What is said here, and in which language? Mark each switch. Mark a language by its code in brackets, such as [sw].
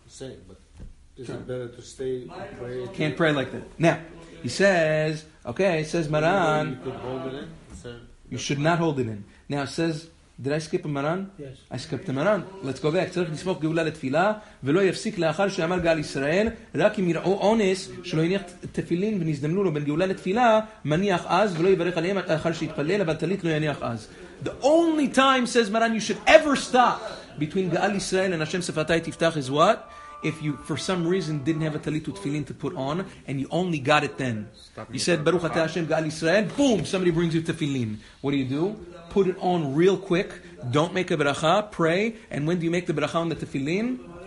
[en] Say, but is it better to stay and pray? Can't pray like that. Now, he says, okay, he says Maran, you could hold it in. You should not hold it in. Now, says Did I skip a Maran? Yes. I skipped a Maran. Let's go back. [he] צריך לשמור גאולה לתפילה, ולא יפסיק לאחר שאמר גאל ישראל, רק אם יראו אונס, שלא יניח תפילין ונזדמנו לו בין גאולה לתפילה, מניח אז, ולא יברך עליהם אחר שיתפלל, אבל תלית לא יניח אז. [en] The only time, says Maran, you should ever stop between גאל ישראל and השם שפתי תפתח is what? If you, for some reason, didn't have a talit tefillin to put on, and you only got it then. Stop, you said, Baruch Atah Hashem, Gaal Yisrael, boom, somebody brings you tefillin. What do? Put it on real quick, don't make a beracha, pray, and when do you make the beracha on the tefillin?